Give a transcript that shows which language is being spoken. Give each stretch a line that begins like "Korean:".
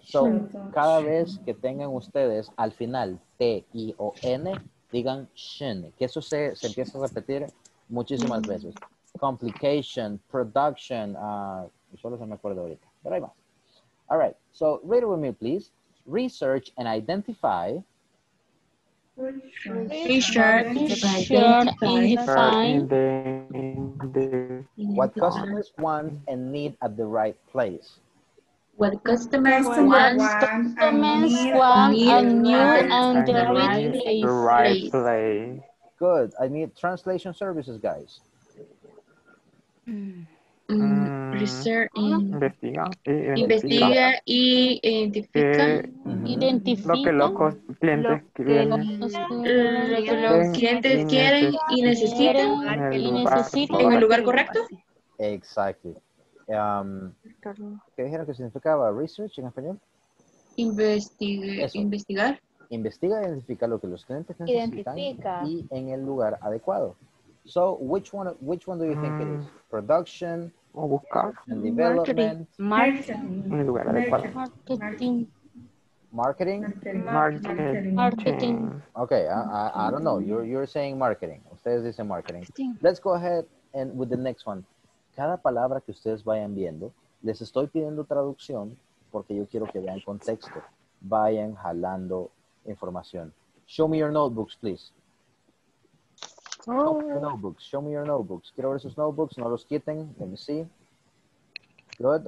Spanish: So cada vez que tengan ustedes al final T I O N, digan shin, que eso se empieza a repetir muchísimas veces. Complication, production, solo se me acuerdo ahorita, pero ahí va.
English: All right, so read it with me, please. Research and identify. What customers want and need at the right place. What customers want and need at the right place. Good. I need translation services, guys.
Spanish: Investiga y identifica lo que los clientes quieren y necesitan en el lugar correcto. Exactly. ¿Qué dijeron que significaba research en español? Investigar. Investiga, identifica lo que los clientes necesitan y en el lugar adecuado.
English: So, which one do you think it is? Production,
Spanish: o buscar,
English: and development,
Spanish: marketing. En lugar adecuado.
English: Marketing. Okay, I don't know. You're saying marketing.
Spanish: Ustedes dicen marketing.
English: Let's go ahead and with the next one.
Spanish: Cada palabra que ustedes vayan viendo, les estoy pidiendo traducción porque yo quiero que vean contexto. Vayan jalando información.
English: Show me your notebooks, please. Show me your notebooks.
Spanish: Quiero ver sus notebooks. No los quiten.
English: Let me see. Good.